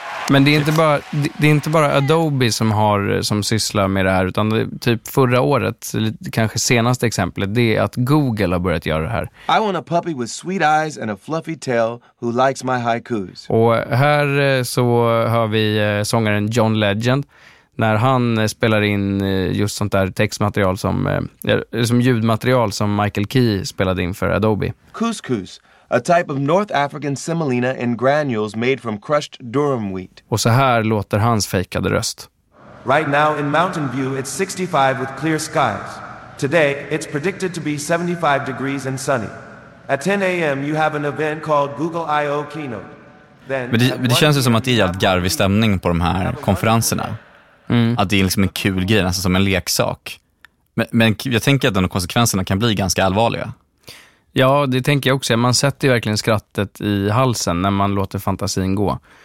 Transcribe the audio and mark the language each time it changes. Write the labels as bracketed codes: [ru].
[sv] Men det är inte bara Adobe som sysslar med det här, utan det, typ förra året, kanske senaste exemplet, det är att Google har börjat göra det här. [en] I want a puppy with sweet eyes and a fluffy tail who likes my haikus. [sv] Och här så hör vi sångaren John Legend när han spelar in just sånt där textmaterial som ljudmaterial som Michael Key spelade in för Adobe. [en] Couscous, a type of North African semolina in granules made from crushed durum wheat. [sv] Och så här låter hans fejkade röst. [en] Right now in Mountain View it's 65 with clear skies. Today it's predicted to be 75 degrees and sunny. At 10 a.m. you have an event called Google I.O. Keynote. Then, [sv] men det känns ju som att det är garvig stämning på de här konferenserna. Att det är liksom en kul grej, nästan som en leksak. Men jag tänker att de konsekvenserna kan bli ganska allvarliga. Ja, det tänker jag också. Man sätter ju verkligen skrattet i halsen när man låter fantasin gå.